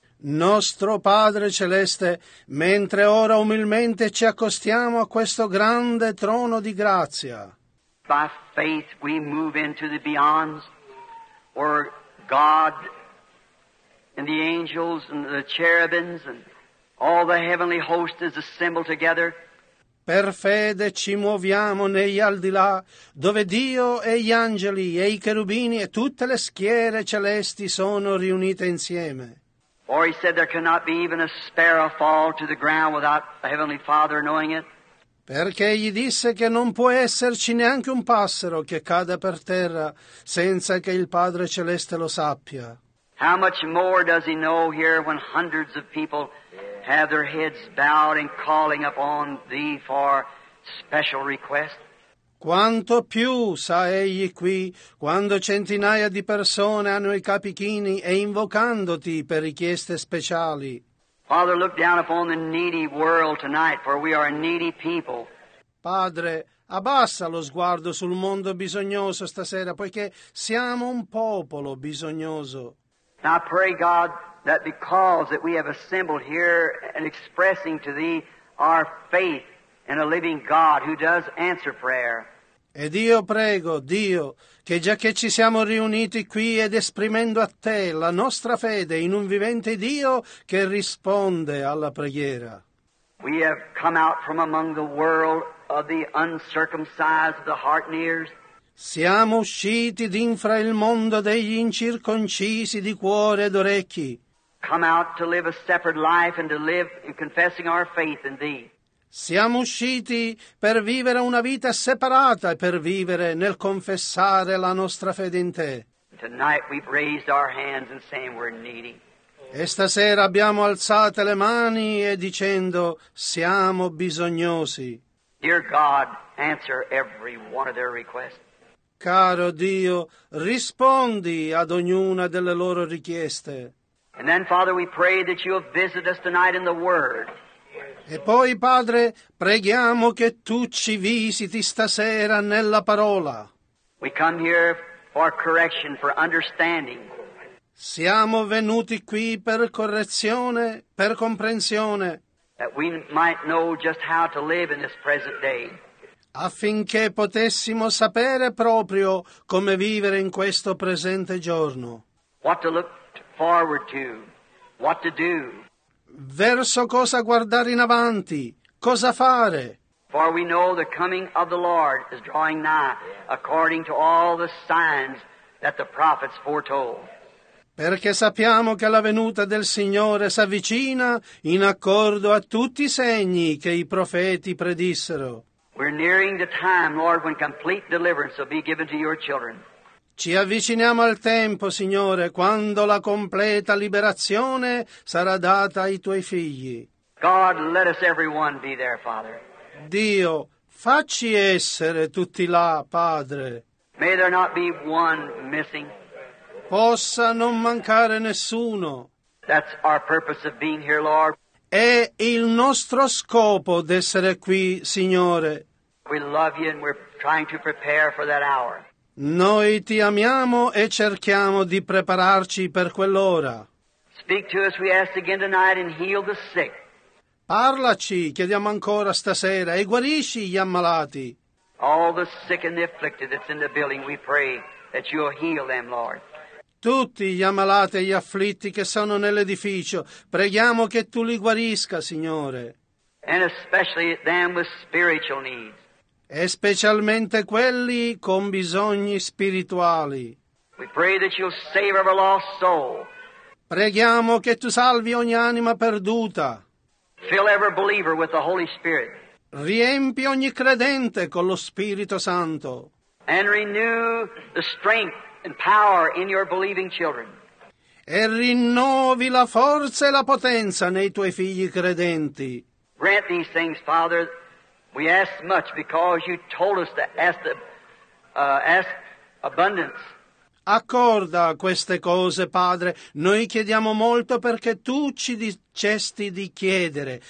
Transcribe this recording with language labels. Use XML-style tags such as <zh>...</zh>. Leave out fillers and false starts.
<it>Nostro Padre Celeste, mentre ora umilmente ci accostiamo a questo grande trono di grazia.</it> <en>By faith we move into the beyonds, where God and the angels and the cherubims and all the heavenly host is assembled together.</en> <it>Per fede ci muoviamo negli al di là, dove Dio e gli angeli e i cherubini e tutte le schiere celesti sono riunite insieme.</it> <en>Or he said there cannot be even a sparrow fall to the ground without the heavenly Father knowing it.</en> <it>Perché gli disse che non può esserci neanche un passero che cada per terra senza che il Padre celeste lo sappia.</it> <en>How much more does he know here when hundreds of people have their heads bowed and calling upon thee for special request?</en> <it>Quanto più sa egli qui quando centinaia di persone hanno i capi chini e invocandoti per richieste speciali.</it> <en>Father, look down upon the needy world tonight, for we are a needy people.</en> <it>Padre, abbassa lo sguardo sul mondo bisognoso stasera, poiché siamo un popolo bisognoso.</it> <en>Now I pray, God, that because that we have assembled here and expressing to thee our faith in a living God who does answer prayer.</en> <it>Ed io prego, Dio, che già che ci siamo riuniti qui ed esprimendo a te la nostra fede in un vivente Dio che risponde alla preghiera.</it> <en>We have come out from among the world of the uncircumcised, the heart and ears.</en> <it>Siamo usciti d'infra il mondo degli incirconcisi di cuore ed orecchi.</it> <en>Come out to live a separate life and to live in confessing our faith in thee.</en> <it>Siamo usciti per vivere una vita separata e per vivere nel confessare la nostra fede in te.</it> <en>Tonight we've raised our hands and saying we're needy.</en> <it>E stasera abbiamo alzate le mani e dicendo siamo bisognosi.</it> <en>Dear God, answer every one of their requests.</en> <it>Caro Dio, rispondi ad ognuna delle loro richieste.</it> <en>And then, Father, we pray that you will visit us tonight in the Word.</en> <it>E poi, Padre, preghiamo che tu ci visiti stasera nella parola.</it> <en>We come here for correction, for understanding.</en> <it>Siamo venuti qui per correzione, per comprensione.</it> <en>That we might know just how to live in this present day.</en> <it>Affinché potessimo sapere proprio come vivere in questo presente giorno.</it> <en>What to look forward to, what to do.</en> <it>Verso cosa guardare in avanti, cosa fare.</it> <en>For we know the coming of the Lord is drawing nigh, according to all the signs that the prophets foretold.</en> <it>Perché sappiamo che la venuta del Signore s'avvicina in accordo a tutti i segni che i profeti predissero.</it> <en>We're nearing the time, Lord, when complete deliverance will be given to your children.</en> <it>Ci avviciniamo al tempo, Signore, quando la completa liberazione sarà data ai tuoi figli.</it> <en>God, let us everyone be there, Father.</en> <it>Dio, facci essere tutti là, Padre.</it> <en>May there not be one missing.</en> <it>Possa non mancare nessuno.</it> <en>That's our purpose of being here, Lord.</en> <it>È il nostro scopo d'essere qui, Signore.</it> <en>We love you and we're trying to prepare for that hour.</en> <it>Noi ti amiamo e cerchiamo di prepararci per quell'ora.</it> <en>Speak to us, we ask again tonight, and heal the sick.</en> <it>Parlaci, chiediamo ancora stasera, e guarisci gli ammalati.</it> <en>All the sick and the afflicted that's in the building, we pray that you'll heal them, Lord.</en> <it>Tutti gli ammalati e gli afflitti che sono nell'edificio, preghiamo che tu li guarisca, Signore.</it> <en>And especially them with spiritual needs.</en> <it>E specialmente quelli con bisogni spirituali.</it> <en>We pray that you'll save every lost soul.</en> <it>Preghiamo che tu salvi ogni anima perduta.</it> <en>Fill every believer with the Holy Spirit.</en> <it>Riempi ogni credente con lo Spirito Santo.</it> <en>And renew the strength and power in your believing children.</en> <it>E rinnovi la forza e la potenza nei tuoi figli credenti.</it> <en>Grant these things, Father. We ask much because you told us to ask the ask abundance.</en> <it>Accorda queste cose, Padre. Noi chiediamo molto perché tu ci dicesti di chiedere.</it>